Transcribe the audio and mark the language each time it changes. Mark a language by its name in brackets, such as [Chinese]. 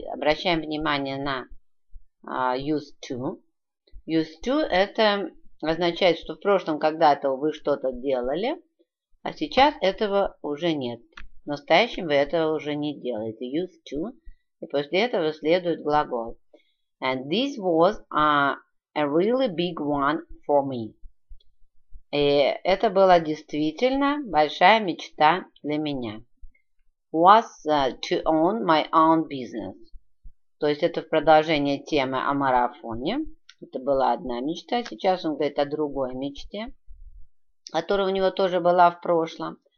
[Russian] Обращаем внимание на [English] used to. Used to [Russian] – это означает, что в прошлом когда-то вы что-то делали, а сейчас этого уже нет. В настоящем вы этого уже не делаете. [English] Used to. [Russian] И после этого следует глагол. [English] And this was a really big one for me. [Russian] И это была действительно большая мечта для меня. [English] Was to own my own business. [Russian] То есть это в продолжение темы о марафоне. Это была одна мечта. Сейчас он говорит о другой мечте, которая у него тоже была в прошлом.